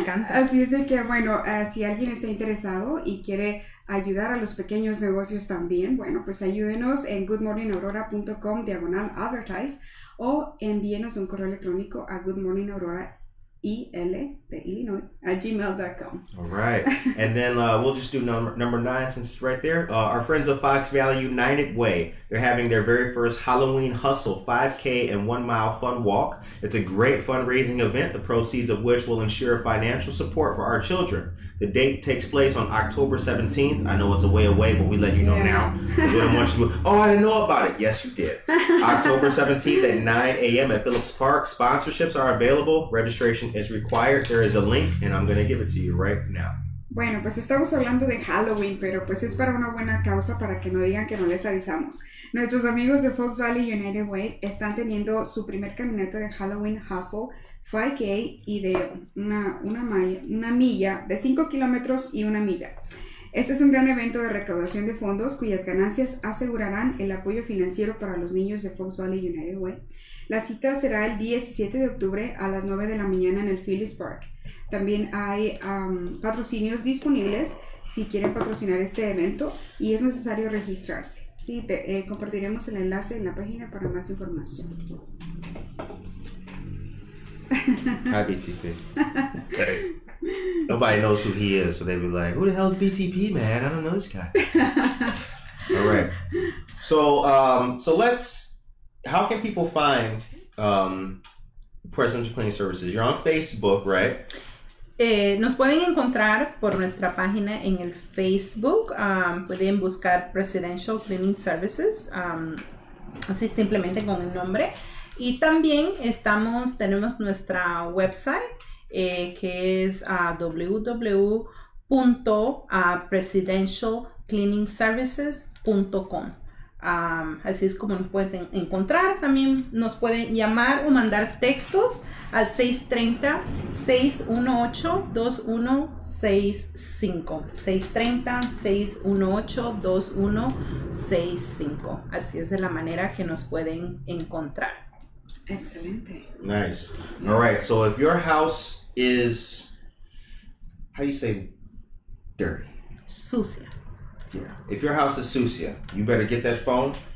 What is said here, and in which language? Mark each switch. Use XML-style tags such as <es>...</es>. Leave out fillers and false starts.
<es>Así es de que, bueno, si alguien está interesado y quiere ayudar a los pequeños negocios también, bueno, pues ayúdenos en goodmorningaurora.com/advertise o envíenos un correo electrónico a goodmorningaurorail@gmail.com.</es> <en>All right. And then we'll just do number 9 since it's right there. Our friends of Fox Valley United Way, they're having their very first Halloween Hustle 5K and 1 mile fun walk. It's a great fundraising event, the proceeds of which will ensure financial support for our children. The date takes place on October 17th. I know it's a way away, but we let you know yeah. now. We don't want you to... Oh, I didn't know about it. Yes, you did. October 17th at 9 a.m. at Phillips Park. Sponsorships are available. Registration is required. There is a link, and I'm going to give it to you right now.</en> <es>Bueno, pues estamos hablando de Halloween, pero pues es para una buena causa para que no digan que no les avisamos. Nuestros amigos de Fox Valley United Way están teniendo su primer caminata de Halloween Hustle 5K y de una milla, de 5 kilómetros y una milla. Este es un gran evento de recaudación de fondos cuyas ganancias asegurarán el apoyo financiero para los niños de Fox Valley United Way. La cita será el 17 de octubre a las 9 de la mañana en el Phillips Park. También hay patrocinios disponibles si quieren patrocinar este evento y es necesario registrarse. Y compartiremos el enlace en la página para más información.</es> <en>Hi, BTP. Hey. Nobody knows who he is, so they'd be like, who the hell is BTP, man? I don't know this guy. All right. So let's, how can people find Presidential Cleaning Services? You're on Facebook, right?</en> <es>Nos pueden encontrar por nuestra página en el Facebook. Pueden buscar Presidential Cleaning Services. así simplemente con el nombre. Y también estamos, tenemos nuestra website, que es www.presidentialcleaningservices.com. Así es como nos puedes encontrar. También nos pueden llamar o mandar textos al 630-618-2165. 630-618-2165. Así es de la manera que nos pueden encontrar. Excelente.</es> <en>Nice. All right. So if your house is, how do you say, dirty?</en> <es>Sucia.</es> <en>Yeah. If your house is sucia, you better get that phone.</en>